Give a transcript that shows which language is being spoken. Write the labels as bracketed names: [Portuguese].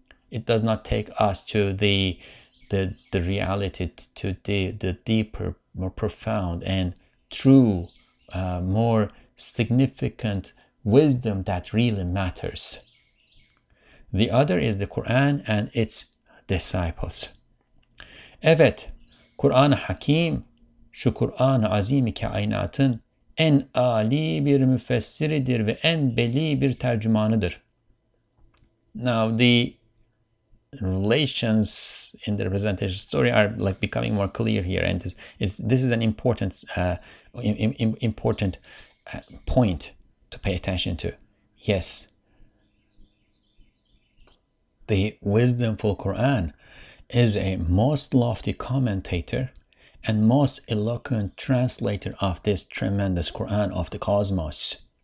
[English] It does not take us to the reality, to the deeper, more profound and true, more significant wisdom that really matters. The other is the Quran and its disciples. [Turkish] Evet, Kur'an-ı Hakim, şu Kur'an-ı Azim-i Kainat'ın en âli bir müfessiridir ve en belli bir tercümanıdır. [English] Now, the relations in the representation story are like becoming more clear here, and this is an important important point to pay attention to. Yes, the Wisdomful Qur'an is a most lofty commentator and most eloquent translator of this tremendous Qur'an of the cosmos.